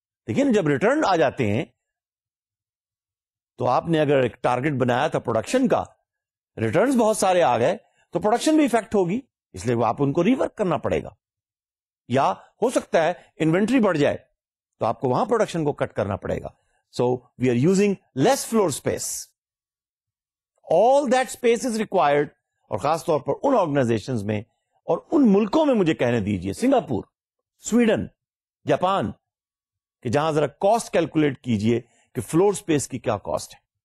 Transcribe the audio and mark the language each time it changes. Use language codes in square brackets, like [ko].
[ur] لیکن جب ریٹرن آ جاتے ہیں تو آپ نے اگر ایک ٹارگیٹ بنایا تھا پروڈکشن کا, ریٹرنز بہت سارے آ گئے تو پروڈکشن بھی افیکٹ ہوگی, اس لیے آپ ان کو ریورک کرنا پڑے گا. یا ہو سکتا ہے انوینٹری بڑھ جائے تو آپ کو وہاں پروڈکشن کو کٹ کرنا پڑے گا. [en] So we are using less floor space. All that space is required, [ur] اور خاص طور پر ان آرگنائزیشن میں اور ان ملکوں میں, مجھے کہنے دیجیے, سنگاپور, سویڈن, جاپان, کہ جہاں ذرا کاسٹ کیلکولیٹ کیجئے کہ فلور سپیس کی کیا کاسٹ ہے.